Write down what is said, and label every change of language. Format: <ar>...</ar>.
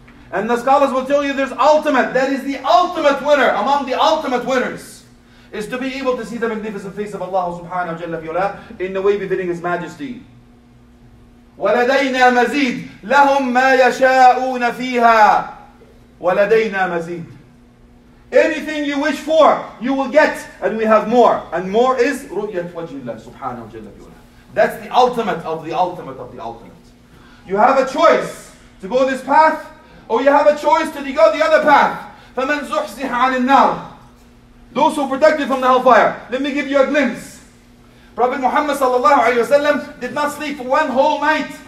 <en>And the scholars will tell you there's ultimate, that is the ultimate winner, among the ultimate winners, is to be able to see the magnificent face of Allah subhanahu wa jalla fi ula in the way befitting His Majesty.</en> <ar>وَلَدَيْنَا مَزِيد لَهُمْ مَا يَشَاءُونَ فِيهَا وَلَدَيْنَا مَزِيد.</ar> <en>Anything you wish for, you will get, and we have more. And more is</en> <ar>رُؤْيَةُ وَجْهِ اللَّهِ سُبْحَانَهُ وَجَلَّ فِي أُولَهِ.</ar> <en>That's the ultimate of the ultimate of the ultimate. You have a choice to go this path, or you have a choice to go the other path.</en> <ar>فَمَنْ زُحْزِحَ عَنِ النَّارِ.</ar> <en>Those who protect you from the hellfire. Let me give you a glimpse. Prophet Muhammad sallallahu alayhi wa sallam did not sleep for one whole night.</en>